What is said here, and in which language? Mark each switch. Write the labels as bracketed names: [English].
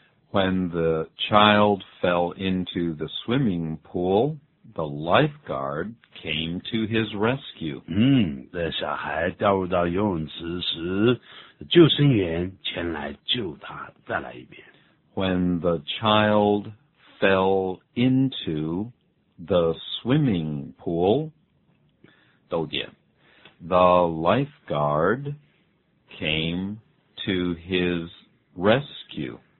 [English] When the child fell into the swimming pool, the lifeguard came to his rescue. [Chinese] 这小孩掉入到游泳池时，救生员前来救他。再来一遍。 [English] When the child fell into the swimming pool, [Chinese] 逗点。 [English] The lifeguard came to his rescue.